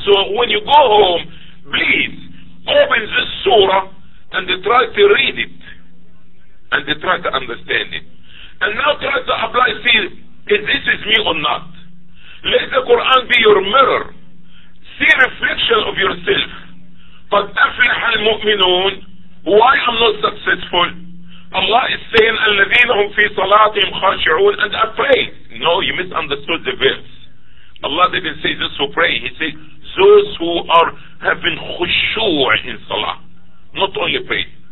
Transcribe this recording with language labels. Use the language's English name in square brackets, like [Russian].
[English] So when you go home, please open this surah and try to read it and try to understand it. And now try to apply, see if this is me or not. Let the Quran be your mirror. See reflection of yourself. [Arabic] But أَفْلِحَ الْمُؤْمِنُونَ. [English] Why I'm not successful? Allah is saying [Arabic] الَّذِينَ هُمْ فِي صَلَاتِهِمْ خَاشِعُونَ [English] and afraid. No, you misunderstood the verse. Allah didn't say those who pray. He said those who are having khushu' in salah, not only pray.